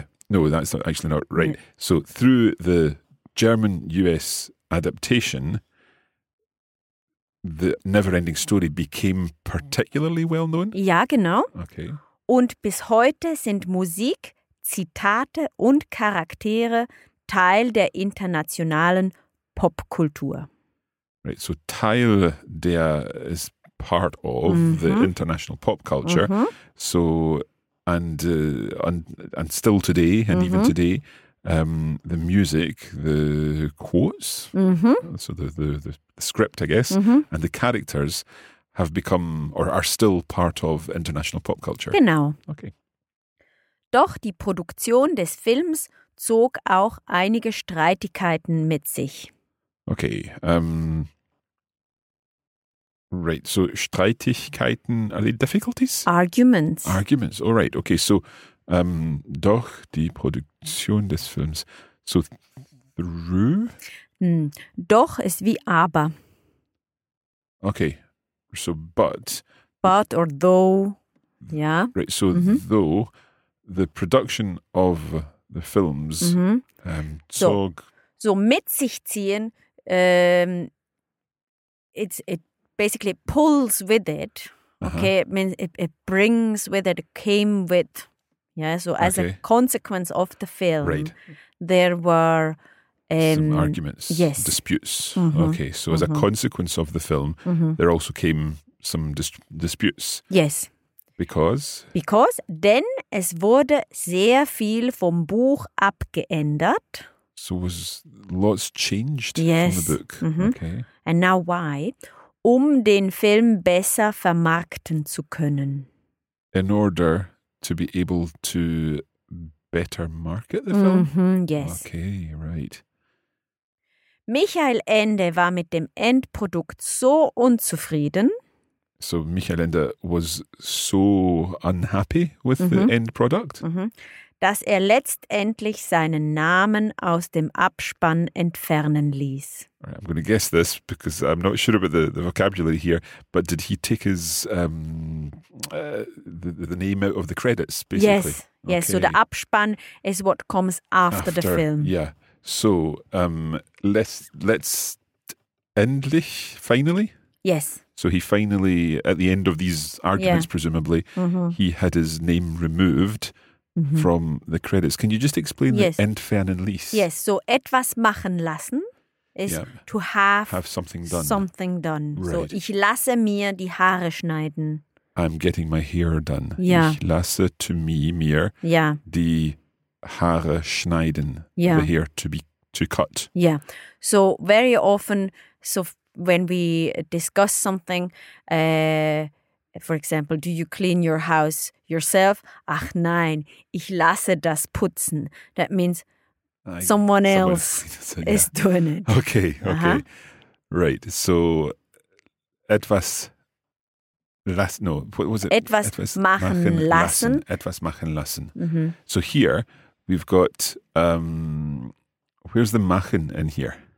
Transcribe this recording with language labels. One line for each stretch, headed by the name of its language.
English: No, that's actually not right. Mm. So through the German-US adaptation, the Neverending Story became particularly well known.
German: Ja, genau.
English: Okay.
German: Und bis heute sind Musik, Zitate und Charaktere Teil der internationalen Popkultur.
English: Right, so
German: Teil der
English: is part of mm-hmm. the international pop culture. Mm-hmm. So, and still today, and mm-hmm. even today, the music, the quotes, mm-hmm. so the script, I guess, mm-hmm. and the characters have become or are still part of international pop culture.
German: Genau.
English: Okay.
German: Doch die Produktion des Films zog auch einige Streitigkeiten mit sich.
English: Okay, right, so Streitigkeiten, are they difficulties? Arguments. Arguments, all right, okay, so
German: doch die Produktion des Films,
English: so through?
German: Doch ist wie aber.
English: Okay, so but. But or though, yeah. Right, so mm-hmm. though, the production of the films mm-hmm.
German: Zog. So mit sich ziehen.
English: it basically pulls with it. Okay, uh-huh. It means it brings with it, came with, yeah. So as okay. a consequence of the film, right. there were some arguments, yes, disputes. Mm-hmm. Okay, so as mm-hmm. a consequence of the film, mm-hmm. there also came some disputes. Yes. Because
German: denn es wurde sehr viel vom Buch abgeändert.
English: So was lots changed yes. from the book. Mm-hmm. Okay. And now why?
German: Den Film besser vermarkten zu können.
English: In order to be able to better market the mm-hmm. film? Yes. Okay, right.
German: Michael Ende war mit dem Endprodukt so unzufrieden.
English: So Michael Ende was so unhappy with mm-hmm. the end product, mm-hmm.
German: dass letztendlich seinen Namen aus dem Abspann entfernen ließ.
English: Right, I'm going to guess this because I'm not sure about the vocabulary here, but did he take his the name out of the credits, basically? Yes, okay. Yes. So the Abspann is what comes after the film. Yeah. So letztendlich, finally? Yes. So he finally, at the end of these arguments, yeah. presumably, mm-hmm. he had his name removed mm-hmm. from the credits. Can you just explain yes. the
German: entfernen ließ?
English: Yes.
German: So etwas machen lassen
English: is yeah. to have something done. Something done. Right.
German: So ich lasse mir die Haare schneiden.
English: I'm getting my hair done. Yeah.
German: Ich lasse
English: to me,
German: mir,
English: yeah.
German: die Haare schneiden.
English: Yeah. The hair to cut. Yeah. So very often, so when we discuss something, for example, do you clean your house yourself?
German: Ach nein, ich lasse das putzen.
English: That means someone else is doing it. Okay, okay. Uh-huh. Right,
German: so etwas lassen,
English: no, what was it?
German: Etwas machen lassen. Etwas machen lassen.
English: Mm-hmm. So here we've got, where's the machen in here?